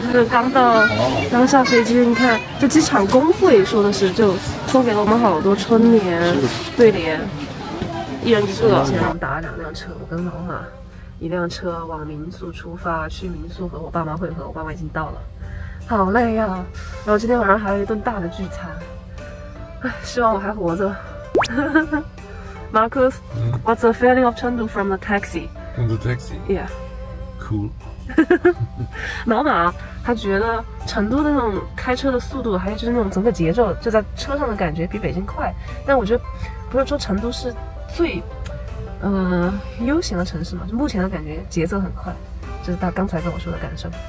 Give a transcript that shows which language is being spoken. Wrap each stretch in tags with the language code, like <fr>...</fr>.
<zh>就是刚到，刚下飞机，你看，这机场工会也说的是，就送给了我们好多春联、对联，一人一个。先让我们打了两辆车，我跟老马一辆车往民宿出发，去民宿和我爸妈会合。我爸妈已经到了，好累呀、啊。然后今天晚上还有一顿大的聚餐，希望我还活着。</zh> <en>Marcus,、mm-hmm. what's the feeling of Chengdu from the taxi? From the taxi? Yeah. Cool.</en> <zh>老马他觉得成都的那种开车的速度，还有就是那种整个节奏，就在车上的感觉比北京快。但我觉得，不是说成都是最，悠闲的城市嘛？就目前的感觉节奏很快，就是他刚才跟我说的感受。</zh>